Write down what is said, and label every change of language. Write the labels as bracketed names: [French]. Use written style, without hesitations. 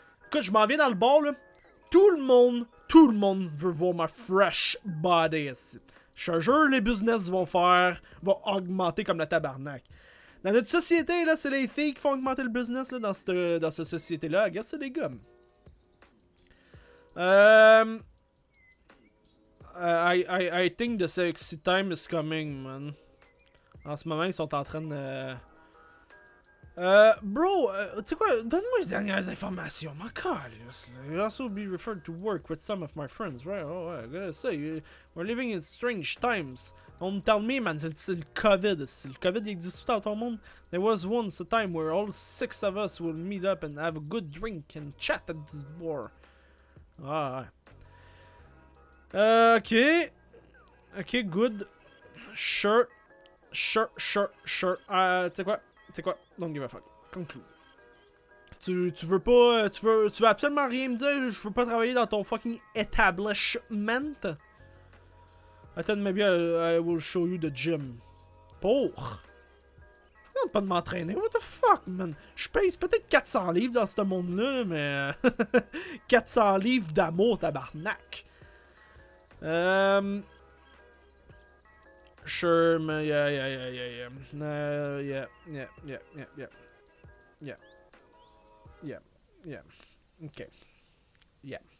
[French] Quand je m'en viens dans le bar, là. Tout le monde veut voir ma fresh body. Je te jure, les business vont augmenter comme la tabarnak. Dans notre société, là, c'est les filles qui font augmenter le business là, dans cette société-là. Regarde, c'est des gommes. [English] I think the sexy time is coming, man. [French] En ce moment, ils sont en train de... Bro, tu sais quoi? Donne-moi les dernières informations, ma calice. [English] You'll also be referred to work with some of my friends, right? Oh, ouais, I gotta say, we're living in strange times. Don't tell me, man, [French] c'est le COVID. C'est le COVID, il existe tout dans ton monde. [English] There was once a time where all six of us would meet up and have a good drink and chat at this bar. Ah, ouais. Okay, good. Sure. [French] Tu sais quoi? [English] Don't give a fuck. Conclude. [French] Tu veux absolument rien me dire? Je veux pas travailler dans ton fucking establishment? [English] Attends, maybe I will show you the gym. [French] Pour? Je demande pas de m'entraîner. [English] What the fuck, man? [French] Je pèse peut-être 400 livres dans ce monde-là, mais... 400 livres d'amour, tabarnak. [English] Sure, man. Yeah. Okay. Yeah.